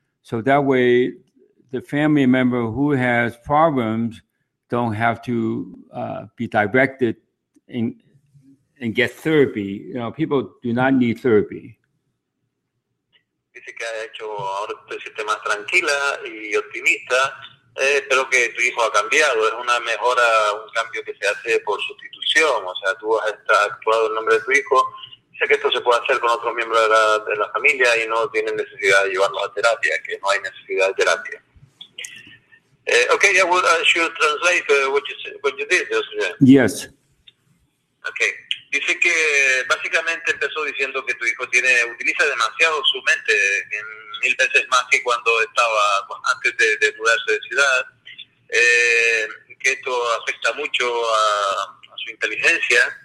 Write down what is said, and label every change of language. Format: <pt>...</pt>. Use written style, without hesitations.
<en>So that way, the family member who has problems don't have to be directed and get therapy. You know, people do not need therapy.</en> <es>Dice que ha hecho ahora se siente más tranquila y optimista. Espero que tu hijo ha cambiado. Es una mejora, un cambio que se hace por sustitución. O sea, tú has actuado en nombre de tu hijo. Sé que esto se puede hacer con otros miembros de la familia y no tienen necesidad de llevarlo a terapia, que no hay necesidad de terapia.</es> <en>Okay, yeah, well, I should translate what you did. Yes. Okay.</en> <es>Dice que básicamente empezó diciendo que tu hijo utiliza demasiado su mente, mil veces más que cuando estaba antes de mudarse de ciudad, que esto afecta mucho a su inteligencia.</es>